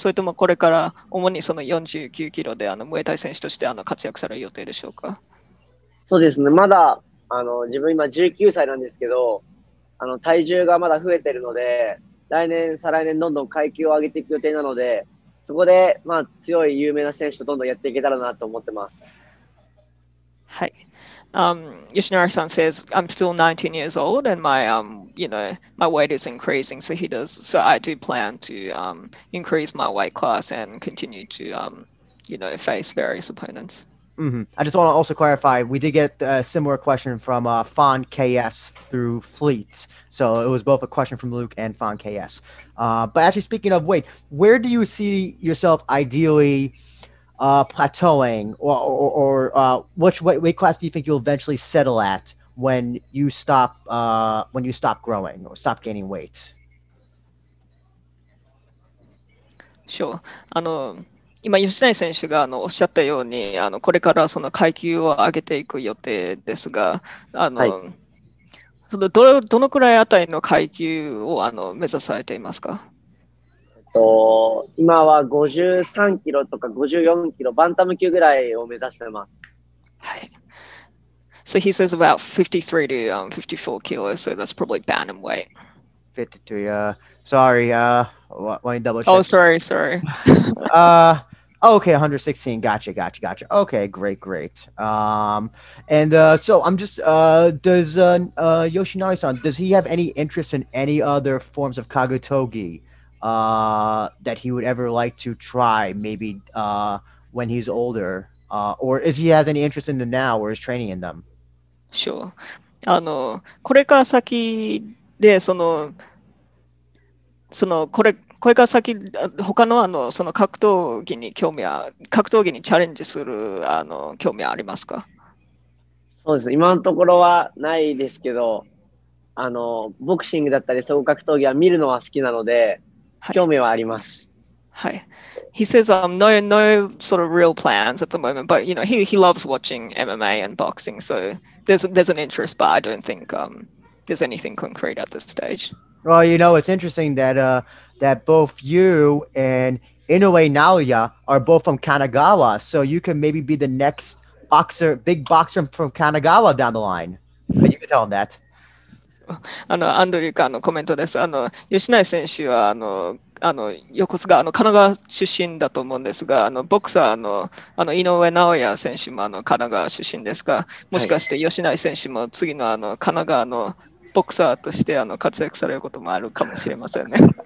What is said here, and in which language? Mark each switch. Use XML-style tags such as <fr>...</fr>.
<ja>それともこれから主にその49キロであのムエタイ選手としてあの活躍される予定でしょうか？そうですね。まだあの自分今19歳なんですけど、あの体重がまだ増えているので、来年再来年どんどん階級を上げていく予定なので、そこでまあ強い有名な選手とどんどんやっていけたらなと思ってます。はい。</ja> <en>Yoshinari-san says, I'm still 19 years old and my, you know, my weight is increasing. So I do plan to increase my weight class and continue to, you know, face various opponents. Mm-hmm. I just want to also clarify, we did get a similar question from Fon KS through Fleet. So it was both a question from Luke and Fon KS. But actually, speaking of weight, where do you see yourself ideally... plateauing, or which weight class do you think you'll eventually settle at when you stop growing or stop gaining weight? Sure.</en> <ja>あの今吉成選手があのおっしゃったようにあのこれからその階級を上げていく予定ですがあの、はい、その どのくらいあたりの階級をあの目指されていますか？今は53キロとか54キロバンタム級ぐらいを目指しています。はい。</ja> <en>So he says about 53 to 54 kilos, so that's probably bantamweight. 52, yeah. Sorry, let me double check. Oh, sorry. okay, 116. Gotcha. Okay, great. So I'm just, Yoshinari-san, does he have any interest in any other forms of kagutogi that he would ever like to try, maybe when he's older? Or if he has any interest in them now or is training in them?</en> <ja>あのこれから先でそのこれから先他のあのその格闘技に興味は格闘技にチャレンジするあの興味はありますか？そうです。今のところはないですけど、あのボクシングだったり総合格闘技は見るのは好きなので、はい、興味はあります。はい。</ja> <en>He says no sort of real plans at the moment, but you know he loves watching MMA and boxing, so there's an interest, but I don't think there's anything concrete at this stage. Well, you know, it's interesting that that both you and Inoue Naoya are both from Kanagawa, so you can maybe be the next boxer, big boxer from Kanagawa down the line. You can tell him that.</en> <ja>あのアンドリューからのコメントです。あの吉成選手はあの横須賀あの神奈川出身だと思うんですが、あのボクサーのあの井上尚弥選手もあの神奈川出身ですが、もしかして吉成選手も次のあの神奈川のボクサーとしてあの活躍されることもあるかもしれませんね。</ja>